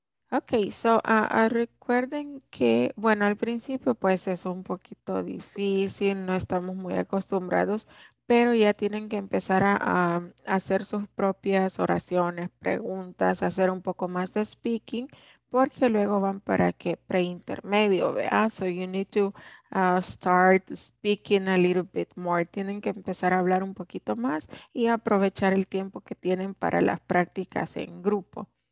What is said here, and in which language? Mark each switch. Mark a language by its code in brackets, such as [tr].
[es] Okay, so recuerden que, bueno, al principio pues es un poquito difícil, no estamos muy acostumbrados, pero ya tienen que empezar a hacer sus propias oraciones, preguntas, hacer un poco más de speaking, porque luego van para que pre-intermedio, ¿verdad? [en] So you need to start speaking a little bit more. [es] Tienen que empezar a hablar un poquito más y aprovechar el tiempo que tienen para las prácticas en grupo.